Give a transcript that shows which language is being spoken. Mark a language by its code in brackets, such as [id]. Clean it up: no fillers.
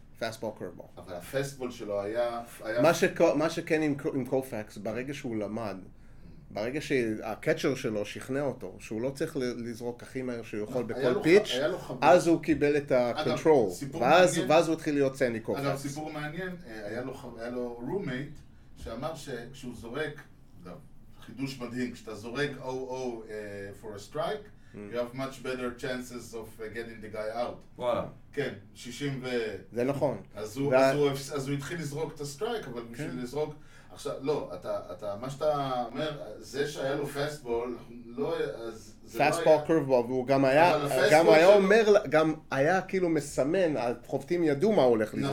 [he] פסטבול קרבו. אבל הפסטבול שלו היה... מה שכן עם קופקס, ברגע שהוא למד, ברגע שהקצ'ר שלו שכנע אותו, שהוא לא צריך לזרוק הכי מהר שהוא יכול בכל פיץ', אז הוא קיבל את הקונטרול. ואז הוא התחיל להיות סנדי קופקס. אגב, סיפור מעניין, היה לו רומייט שאמר שכשהוא זורק, חידוש מדהים, כשאתה זורק [en] OO for a strike, you have much better chances of getting the guy out. [he] וואלה. כן, 60 ו... זה נכון. אז הוא התחיל לזרוק את הסטרייק, אבל בשביל לזרוק... עכשיו, לא, אתה, מה שאתה אומר, זה שהיה לו פסטבול, לא, אז... פסטבול קרבבול, והוא גם היה, גם היה אומר, גם היה כאילו מסמן, החובטים ידעו מה הולך לזרוק.